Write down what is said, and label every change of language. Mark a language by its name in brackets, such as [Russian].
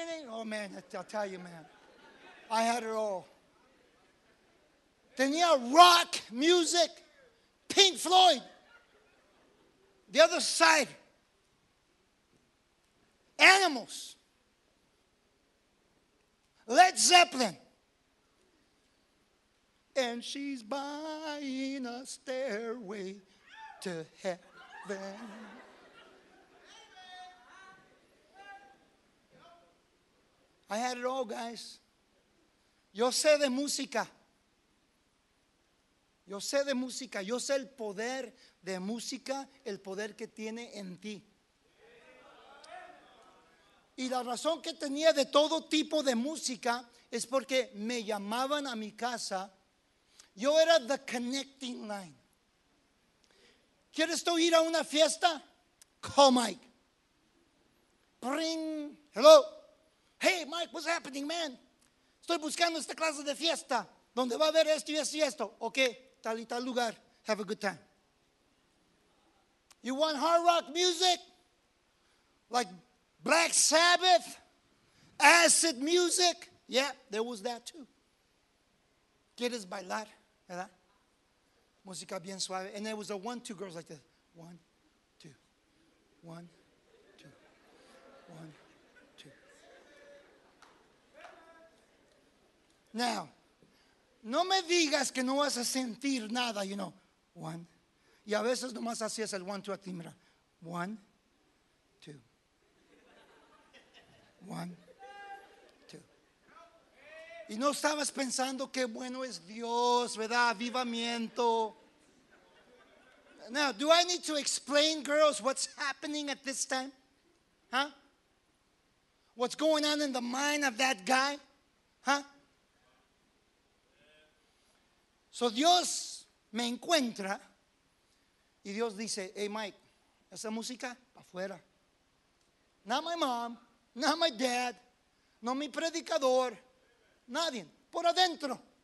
[English] Oh man, I'll tell you, man, I had it all. [Spanish] Tenía rock music, Pink Floyd. [English] The Other Side, Animals, Led Zeppelin, and she's buying a stairway to heaven. I had it all, guys. Yo sé de música. [Spanish] Yo sé de música, yo sé el poder de música, el poder que tiene en ti. Y la razón que tenía de todo tipo de música es porque me llamaban a mi casa Yo era the connecting line. ¿Quieres tú ir a una fiesta? [English] Call Mike. Bring, hello. Hey, Mike, what's happening, man? [Spanish] Estoy buscando esta clase de fiesta donde va a haber esto y esto y esto. Ok, tal y tal lugar. Have a good time. [English] You want hard rock music? Like Black Sabbath? Acid music? [Spanish] Yeah, there was that too. ¿Quieres bailar? ¿Verdad? Música bien suave. [English] And there was a one, two girls like this. One, two. One, two. One, two. [Spanish] Now, no me digas que no vas a sentir nada, you know. One. Y a veces nomás hacías el one, two a ti, mira. One, two. One, two. Y no estabas pensando qué bueno es Dios, ¿verdad? Avivamiento. [English] Now, do I need to explain, girls, what's happening at this time? Huh? What's going on in the mind of that guy? Huh? [Spanish] So Dios me encuentra y Dios dice, hey, Mike, esa música, pa' fuera. [English] Not my mom, not my dad, no mi predicador, nadie, por adentro.